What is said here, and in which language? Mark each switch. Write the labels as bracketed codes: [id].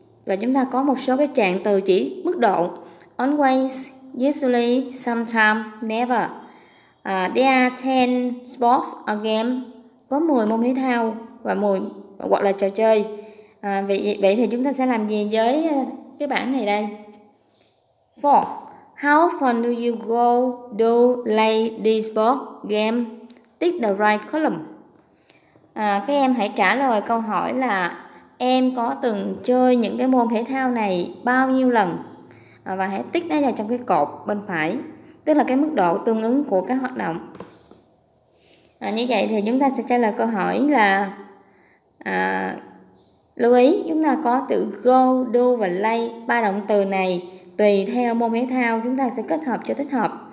[vi] Và chúng ta có một số cái trạng từ chỉ mức độ. [en] Always, usually, sometimes, never. There are 10 sports or games. [vi] Có 10 môn thể thao và 10 hoặc là trò chơi. Vậy thì chúng ta sẽ làm gì với cái bảng này đây? 4. [en] How often do you go to play the sport game? Tick the right column. [vi] Các em hãy trả lời câu hỏi là em có từng chơi những cái môn thể thao này bao nhiêu lần? Và hãy tick nó vào trong cái cột bên phải, tức là cái mức độ tương ứng của các hoạt động. Như vậy thì chúng ta sẽ trả lời câu hỏi là lưu ý chúng ta có từ go, do và lay, ba động từ này tùy theo môn thể thao chúng ta sẽ kết hợp cho thích hợp.